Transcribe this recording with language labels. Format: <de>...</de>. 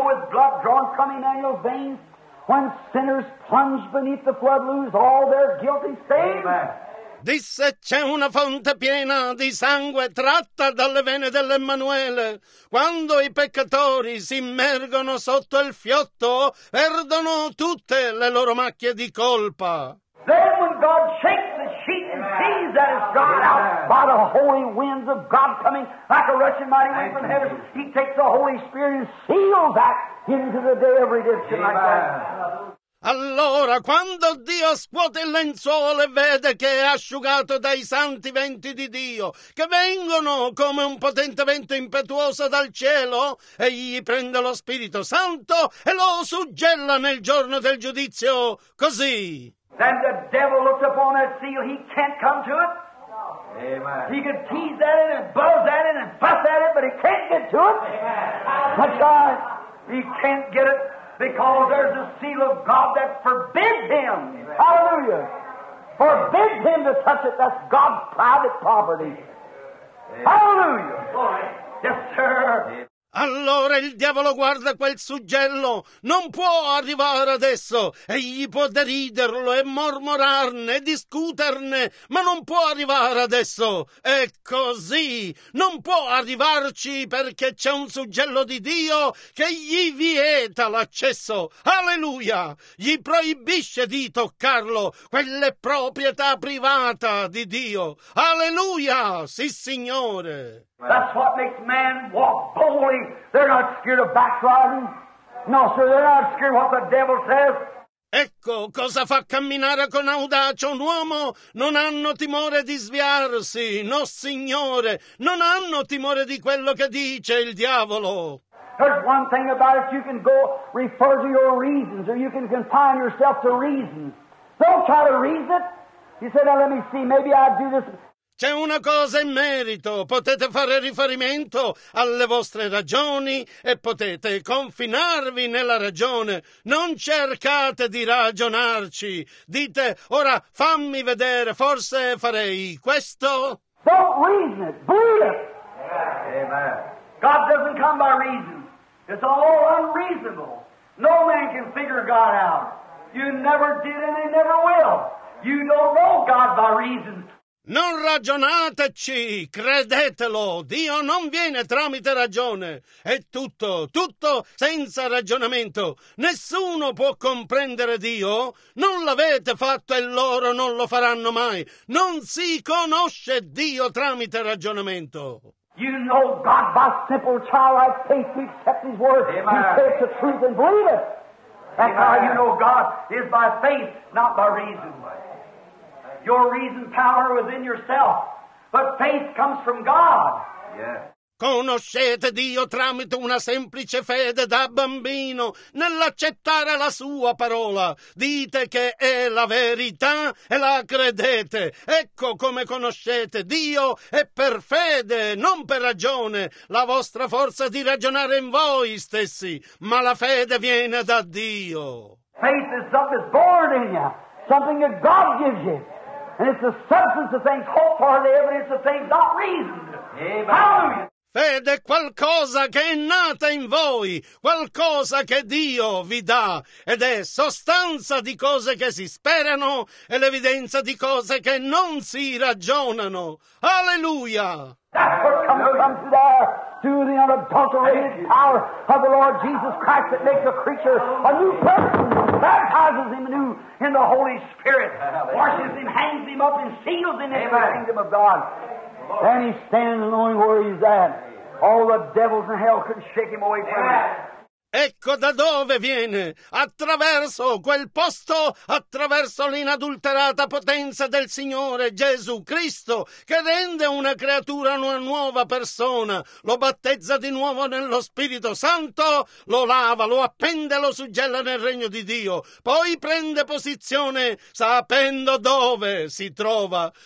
<en>Blood drawn from Emmanuel's veins, when sinners plunge beneath the flood, lose all their guilty stains. Amen.</en> <it>Disse c'è una fonte piena di sangue tratta dalle vene dell'Emmanuele. Quando i peccatori si immergono sotto il fiotto, perdono tutte le loro macchie di colpa.</it> <en>Then when God shakes the sheet and sees that it's dried out by the holy winds of God coming like a rushing mighty wind from heaven, he takes the Holy Spirit and seals that into the day of redemption. Amen. Like that.</en> <it>Allora, quando Dio scuote il lenzuolo e vede che è asciugato dai santi venti di Dio, che vengono come un potente vento impetuoso dal cielo, egli prende lo Spirito Santo e lo suggella nel giorno del giudizio, così.</it> <en>Then the devil looks upon that seal, he can't come to it. Amen. He can tease at it and buzz at it and fuss at it, but he can't get to it. Amen. But God, he can't get it because there's a seal of God that forbids him. Amen. Hallelujah. Forbids him to touch it. That's God's private property. Amen. Hallelujah. Boy. Yes, sir. Amen.</en> <it>Allora il diavolo guarda quel suggello, non può arrivare adesso, egli può deriderlo e mormorarne e discuterne, ma non può arrivare adesso, è così, non può arrivarci perché c'è un suggello di Dio che gli vieta l'accesso, alleluia, gli proibisce di toccarlo, quella è proprietà privata di Dio, alleluia, sì signore.</it> <en>That's what makes man walk boldly. They're not scared of backsliding. No, sir, they're not scared of what the devil says.</en> <it>Ecco cosa fa camminare con audacia un uomo. Non hanno timore di sviarsi, no, signore. Non hanno timore di quello che dice il diavolo.</it> <en>There's one thing about it. You can go refer to your reasons, or you can confine yourself to reason. Don't try to reason it. You say, now, let me see. Maybe I'd do this.</en> <it>C'è una cosa in merito, potete fare riferimento alle vostre ragioni e potete confinarvi nella ragione. Non cercate di ragionarci. Dite, ora fammi vedere, forse farei questo.</it> <en>Don't reason it, believe it. Amen. God doesn't come by reason. It's all unreasonable. No man can figure God out. You never did and you never will. You don't know God by reason.</en> <it>Non ragionateci, credetelo, Dio non viene tramite ragione, è tutto, tutto senza ragionamento. Nessuno può comprendere Dio, non l'avete fatto e loro non lo faranno mai. Non si conosce Dio tramite ragionamento.</it> <en>You know God by simple childlike faith, we accept His word, we accept the truth and believe it. That's how you know God is by faith, not by reason. Your reason power was in yourself, but faith comes from God. Yeah.</en> <it>Conoscete Dio tramite una semplice fede da bambino nell'accettare la sua parola. Dite che è la verità e la credete. Ecco come conoscete Dio, è per fede, non per ragione. La vostra forza di ragionare in voi stessi, ma la fede viene da Dio.</it> <en>Faith is something born in you, something that God gives you. And it's the substance of things hoped for, the evidence of things not reasoned. Hallelujah!</en> <it>Fede è qualcosa che è nata in voi, qualcosa che Dio vi dà, ed è sostanza di cose che si sperano e l'evidenza di cose che non si ragionano. Alleluia!</it> <en>That's what comes there, through the unadulterated power of the Lord Jesus Christ that makes a creature a new person, baptizes him anew in the Holy Spirit, washes him, hangs him up, and seals him in the kingdom of God. Then he stands knowing where he's at. All the devils in hell couldn't shake him away from it.</en> <it>Ecco da dove viene, attraverso quel posto, attraverso l'inadulterata potenza del Signore Gesù Cristo, che rende una creatura una nuova persona, lo battezza di nuovo nello Spirito Santo, lo lava, lo appende, lo suggella nel regno di Dio, poi prende posizione sapendo dove si trova.</it>